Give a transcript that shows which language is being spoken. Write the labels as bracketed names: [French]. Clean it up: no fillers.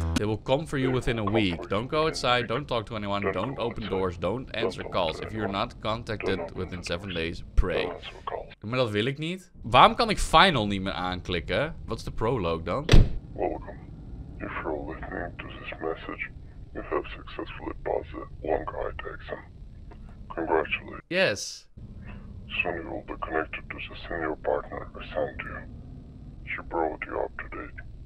[English] They will come for you within a week. Don't go outside, don't talk to anyone, don't open doors, don't answer calls. If you're not contacted within 7 days, pray. [Dutch] Maar dat wil ik niet. Waarom kan ik final niet meer aanklikken? Wat is de prologue dan? [English] Welcome. If you're listening to this message, you have successfully passed the long eye exam. Congratulations. Yes. Soon you will be connected to the senior partner assigned to you. She brought you up to date.